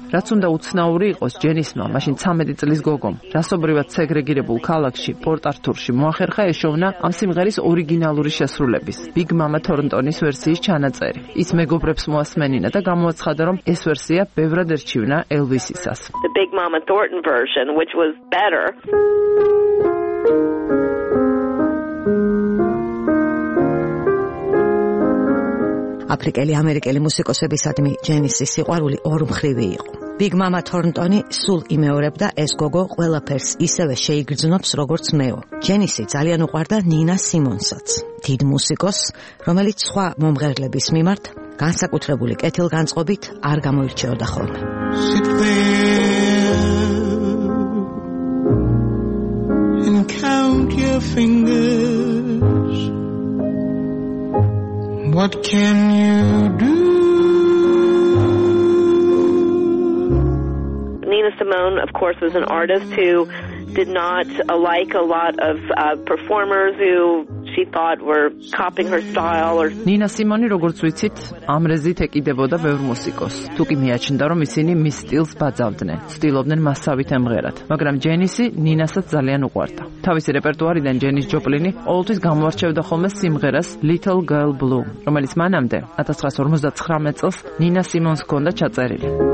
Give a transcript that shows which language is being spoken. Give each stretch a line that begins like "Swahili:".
Georgian: რაც უნდა უცნაური იყოს, ჯენისმა მაშინ 13 წლის გოგომ, რასობრივად სეგრეგირებულ ქალაქში, პორტ-ართურში მოახერხა ეშოვნა ამ სიმღერის ორიგინალური შესრულების, ბიგ მამა თორნტონის ვერსიის ჩანაწერი. ის მეგობრებს მოასმენინა და გამოაცხადა, რომ ეს ვერსია ბევრად ერჩივნა ელვისისას.
English: The Big Mama Thornton version, which was better.
Georgian: აფრიკელი ამერიკელი მუსიკოსებისადმი ჯენისის სიყვარული ორ მხრივი იყო. ბიგ მამა თორნტონი სულ იმეორებდა ეს გოგო ყველაფერს ისევე შეიგრძნობს როგორც მეო. ჯენისი ძალიან უყვარდა ნინა სიმონსაც, დიდ მუსიკოს, რომელიც სხვა მომღერლების მიმართ განსაკუთრებული კეთილგანწყობით არ გამოირჩეოდა ხოლმე.
English: What can you do? Nina Simone, of course, was an artist who did not like a lot of performers who she thought were copying her style or
Georgian: Nina Simone როგორც ვიცით, ამრეზით ეკიდებოდა ბევრ მუსიკოს. თუ კი მიაჩნდა, რომ ისინი მის სტილს ბაძავდნენ, ცდილობდნენ მასავით ემღერათ, მაგრამ ჯენისი ნინასაც ძალიან უყვარდა. თავისი რეპერტუარიდან ჯენის ჯოპლინი ყოველთვის გამოარჩევდა ხოლმე სიმღერას Little Girl Blue, რომელიც მანამდე 1959 წელს ნინა სიმონს ჰქონდა ჩაწერილი.